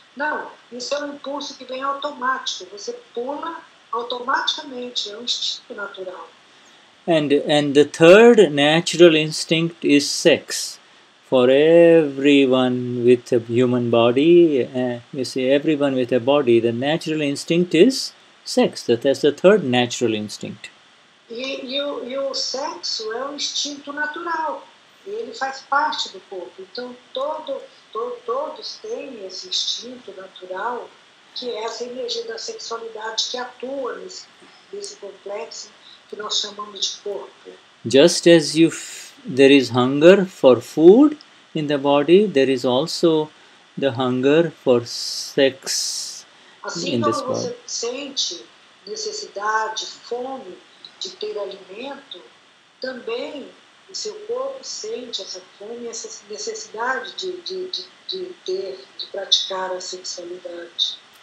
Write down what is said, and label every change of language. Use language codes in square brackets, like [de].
[pt] Não, isso é um impulso que vem automático, você pula automaticamente, é um instinto natural. [en] And the third natural instinct is sex. For everyone with a human body, you see, everyone with a body, the natural instinct is sex. That's the third natural instinct. [pt] E o sexo é um instinto natural. Ele faz parte do corpo. Então, todos têm esse instinto natural, que é essa energia da sexualidade que atua nesse complexo que nós chamamos de corpo. [en] Just as there is hunger for food in the body, there is also the hunger for sex in this body. [pt] Assim como você sente necessidade, fome de ter alimento, também o seu corpo sente essa fome, essa necessidade de praticar a sexualidade.